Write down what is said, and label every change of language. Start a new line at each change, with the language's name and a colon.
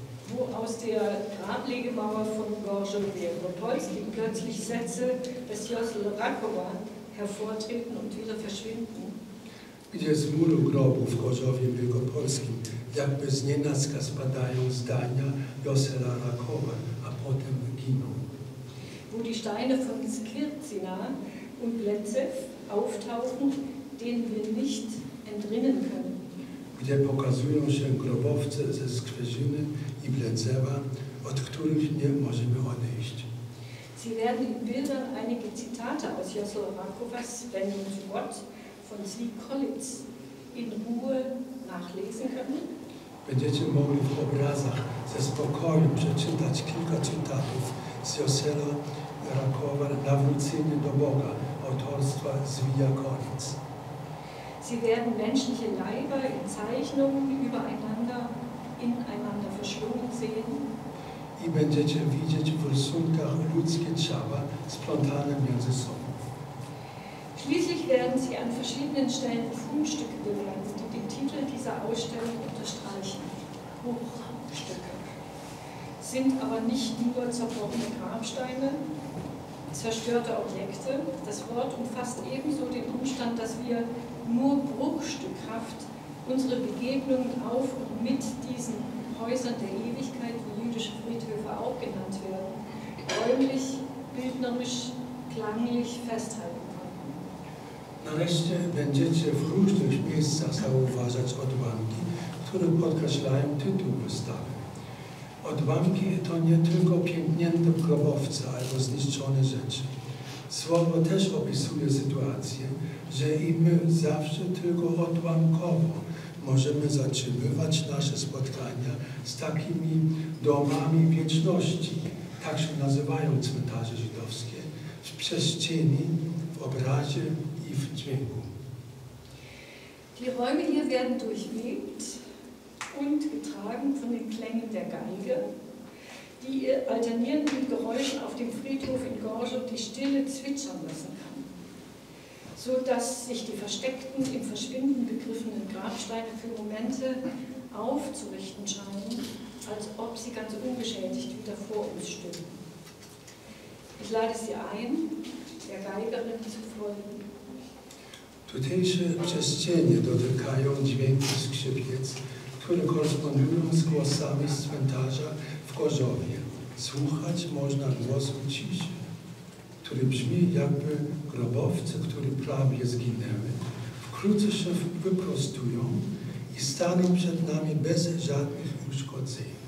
German: Wo aus der Grablegemauer von Gorzów Wielkopolski plötzlich Sätze des Josel Rakowa hervortreten und wieder verschwinden.
Polish: Gdzie z muru grobu w Gorzowie Wielkopolskim, jakby z nienacka spadają zdania Josela Rakowa, a potem giną.
German: Wo die Steine von Skirzina und Bletzew auftauchen, denen wir nicht entrinnen können.
Polish: Gdzie pokazują się grobowce ze Skwierzyny i Bledzewa, od których nie możemy odejść.
German: Sie werden in Bildern einige Zitate aus Josel Rakowas Wendung zu Gott von Sieg Kollitz in Ruhe nachlesen können.
Polish: Będziecie mogli w obrazach ze spokojem przeczytać kilka cytatów z Josela Rakowa Nawrócenie do Boga autorstwa Zwija Kollitz.
German: Sie werden menschliche Leiber in Zeichnungen übereinander, ineinander verschlungen sehen.
Polish: I będziecie widzieć w rysunkach ludzkie ciała splątane między sobą.
German: Schließlich werden Sie an verschiedenen Stellen Fundstücke bemerken, die den Titel dieser Ausstellung unterstreichen. Bruchstücke sind aber nicht nur zerbrochene Grabsteine, zerstörte Objekte. Das Wort umfasst ebenso den Umstand, dass wir nur bruchstückhaft unsere Begegnungen auf und mit diesen Häusern der Ewigkeit, wie jüdische Friedhöfe auch genannt werden, räumlich, bildnerisch, klanglich festhalten können.
Polish: Nareszcie będziecie w różnych miejscach zauważać odłamki, które podkreślają tytuł wystawy. Odłamki to nie tylko pięknięte grobowce albo zniszczone rzeczy. Słowo też opisuje sytuację, że i my zawsze tylko odłamkowo możemy zatrzymywać nasze spotkania z takimi domami wieczności, tak się nazywają cmentarze żydowskie, w przestrzeni, w obrazie i w dźwięku.
German: Die Räume hier werden durchwebt und getragen von den Klängen der Geige, die alternierend mit Geräuschen auf dem Friedhof in Gorzów die Stille zwitschern lassen kann. So dass sich die versteckten, im Verschwinden begriffenen Grabsteine für Momente aufzurichten scheinen, als ob sie ganz unbeschädigt wieder vor uns stünden. Ich lade Sie ein, der Geigerin zu folgen.
Polish: Tutejsze przestrzenie dotykają dźwięki skrzypiec, które korespondują z głosami z cmentarza w Gorzowie. Słuchać można głosu ciszy, który brzmi jakby grobowce, które prawie zginęły, wkrótce się wyprostują i staną przed nami bez żadnych uszkodzeń.